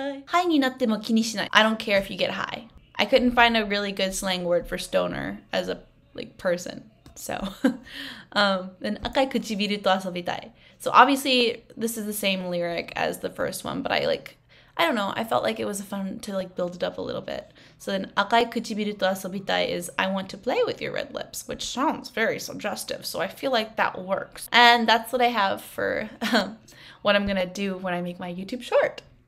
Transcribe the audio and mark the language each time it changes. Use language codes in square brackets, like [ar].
[en] I don't care if you get high. I couldn't find a really good slang word for stoner as a like person. So, then [ja] 赤い唇と遊びたい. [en] So obviously this is the same lyric as the first one, but I don't know. I felt like it was fun to like build it up a little bit. So then [ja] 赤い唇と遊びたい [en] is I want to play with your red lips, which sounds very suggestive. So I feel like that works. And that's what I have for what I'm gonna do when I make my YouTube short.